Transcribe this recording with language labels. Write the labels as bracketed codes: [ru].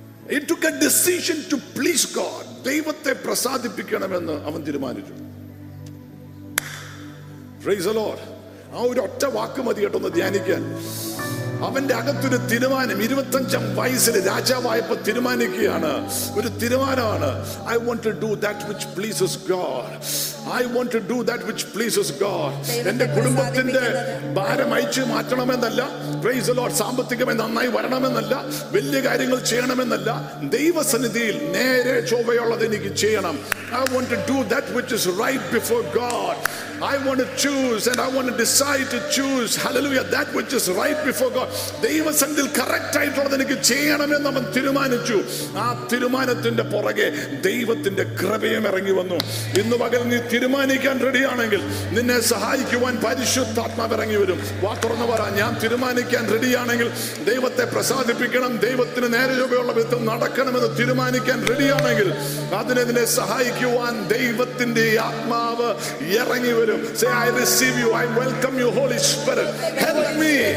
[en] He took a decision to please God. [ml] ദൈവത്തെ പ്രസാദിപ്പിക്കണമെന്ന് അവൻ തീരുമാനിച്ചു. [en] Praise the Lord. [ml] ആ ഒരു ഒറ്റ വാക്ക് മതി കേട്ടോ ഒന്ന് ധ്യാനിക്കാൻ. അവന്റെ അകത്തൊരു തീരുമാനം, 25 വയസ്സിൽ രാജാവായപ്പോ തീരുമാനിക്കുകയാണ്, ഒരു തീരുമാനമാണ്. [en] I want to do that which pleases God. I want to do that which pleases God. [ml] എന്റെ കുടുംബത്തിന്റെ ഭാരം അയച്ചു മാറ്റണമെന്നല്ല, പ്രൈസ് ദി ലോർഡ്, സാമ്പത്തികമായി നന്നായി വരണമെന്നല്ല, വലിയ കാര്യങ്ങൾ ചെയ്യണമെന്നല്ല, ദൈവസന്നിധിയിൽ നേരെ ചൊവ്വയുള്ളത് എനിക്ക് ചെയ്യണം. [en] I want to do that which is right before God. I want to choose and I want to decide to choose, hallelujah, that which is right before God. [ml] ദൈവസന്നിധിയിൽ correct ആയിട്ടുള്ളത് എനിക്ക് ചെയ്യണമെന്ന് അവൻ തീരുമാനിച്ചു. ആ തീരുമാനത്തിന്റെ പുറകെ ദൈവത്തിന്റെ കൃപയും ഇറങ്ങി വന്നു. ഇന്ന് പകൽ നീ തീരുമാനിക്കാൻ റെഡിയാണെങ്കിൽ നിന്നെ സഹായിക്കുവാൻ പരിശുദ്ധാത്മാവ് ഇറങ്ങി വരും. വാ തുറന്നു പറ, ഞാൻ തീരുമാനിക്കാൻ റെഡിയാണെങ്കിൽ ദൈവത്തെ പ്രസാദിപ്പിക്കണം, ദൈവത്തിന് നേരെ ചൊവ്വയുള്ള വിധത്തിൽ നടക്കണമെന്ന് തീരുമാനിക്കാൻ റെഡിയാണെങ്കിൽ അതിനെ നിന്നെ സഹായിക്കുവാൻ ദൈവത്തിന്റെ ആത്മാവ് ഇറങ്ങി വരും. [en] Say, I receive you, I welcome you, Holy Spirit, help me.